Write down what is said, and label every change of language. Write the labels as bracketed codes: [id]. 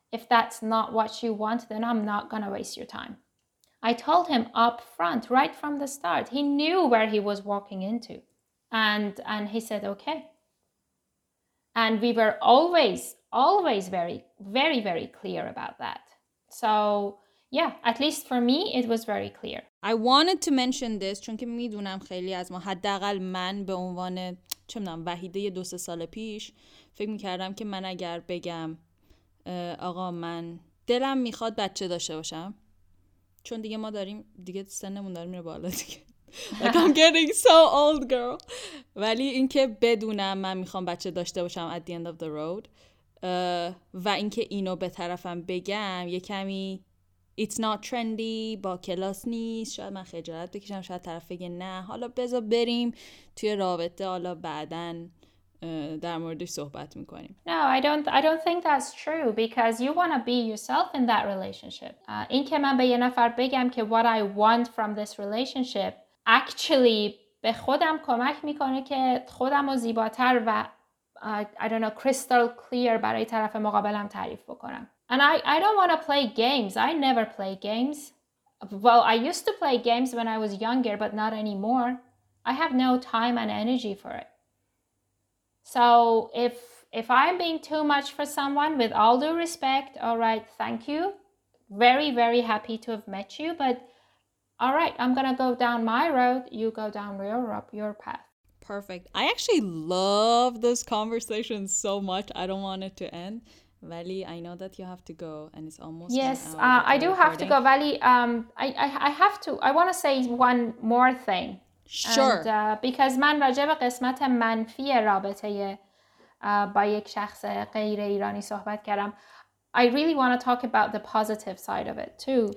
[en] If that's not what you want, then I'm not going to waste your time." I told him up front, right from the start. He knew where he was walking into. And he said, okay. And we were always, always very, very, very clear about that. So, yeah, at least for me, it was very clear. I wanted to mention this, [fa] چون که میدونم خیلی از ما، حداقل من به عنوان چه میدونم وحیده دو سه سال پیش فکر میکردم که من اگر بگم آقا من دلم میخواد بچه داشته باشم، چون دیگه ما داریم دیگه سنمون داره میره بالا دیگه [en] like I'm getting so old girl، [fa] ولی اینکه بدونم من میخوام بچه داشته باشم [en] at the end of the road [fa] و اینکه اینو به طرفم بگم یه کمی [en] it's not trendy، [fa] با کلاس نیست، شاید من خجالت بکشم، شاید طرف بگه نه حالا بذار بریم توی رابطه حالا بعدن در موردش صحبت میکنیم. [en] No, I don't think that's true because you want to be yourself in that relationship. [fa] این که من به یه نفر بگم که [en] what I want from this relationship actually [fa] به خودم کمک میکنه که خودم رو زیباتر و [en] I don't know crystal clear [fa] برای طرف مقابلم تعریف بکنم. [en] And I don't want to play games. I never play games. Well, I used to play games when I was younger, but not anymore. I have no time and energy for it. So if I'm being too much for someone, with all due respect, all right, thank you. Very, very happy to have met you. But all right, I'm going to go down my road. You go down your path. Perfect. I actually love this conversation so much. I don't want it to end. Vali, I know that you have to go and it's almost... Yes, I do have to go. Vali, I have to... I want to say one more thing. Sure. And, because [fa] من راجع به قسمت منفی رابطه با یک شخص غیر ایرانی صحبت کردم. [en] I really want to talk about the positive side of it too.